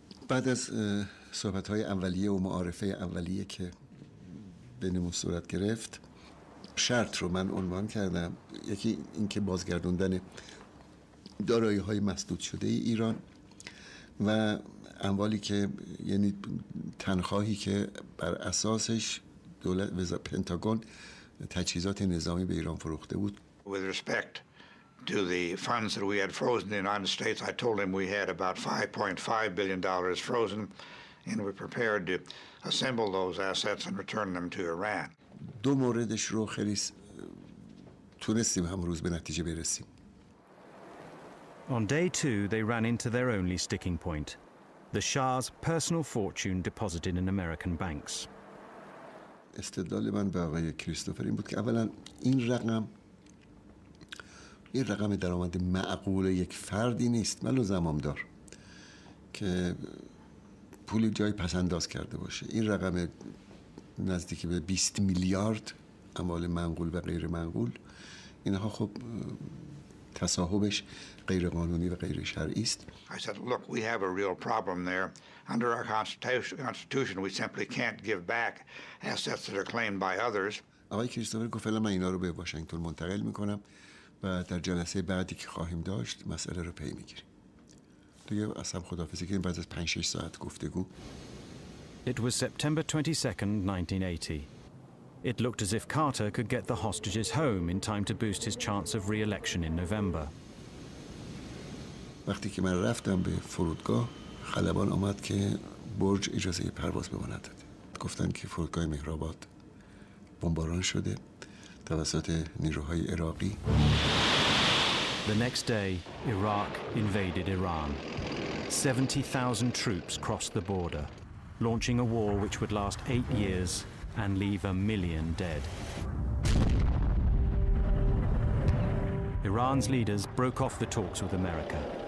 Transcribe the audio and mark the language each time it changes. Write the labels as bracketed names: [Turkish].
[Persian] بعد از صحبت‌های اولیه و معارفه اولیه که بینمون صورت گرفت، شرط رو من عنوان کردم. یکی اینکه بازگردوندن دارایی‌های مسدود شده ایران و اموالی که یعنی تنخواهی که بر اساسش دولت پنتاگون تجهیزات نظامی به ایران فروخته بود. [English] With respect to the funds that we had frozen in the United States, I told him we had about $5.5 billion frozen, and we prepared to assemble those assets and return them to Iran. [Persian] دو موردش رو خیلی تونستیم همروز به نتیجه برسیم. [English] On day two, they ran into their only sticking point, the Shah's personal fortune deposited in American banks. [Persian] استدلال من به آقای کریستوفر این بود که اولا این رقم درآمد معقول یک فردی نیست. من لزوما دار که پولی جای پس انداز کرده باشه. این رقم نزدیک به 20 میلیارد اموال منقول و غیر منقول، اینها خب تصاحبش غیر قانونی و غیر شرعی است. [English] I said, look, we have a real problem there. Under our constitution, we simply can't give back assets that are claimed by others. [Persian] آقای کریستوفر گفت من اینا رو به واشنگتن منتقل میکنم و در جلسه بعدی که خواهیم داشت مسئله رو پی میگیریم. دیگه اصلا خدافزی کردیم بعد از 5-6 ساعت گفتگو. [English] It was September 22nd, 1980. It looked as if Carter could get the hostages home in time to boost his chance of re-election in November. [Persian] وقتی که من رفتم به فرودگاه خلبان آمد که برج اجازه پرواز به ما نداد. گفتند که فرودگاه مهرآباد بمباران شده توسط نیروهای عراقی. [English] The next day, Iraq invaded Iran. 70,000 troops crossed the border, launching a war which would last 8 years and leave a million dead. Iran's leaders broke off the talks with America.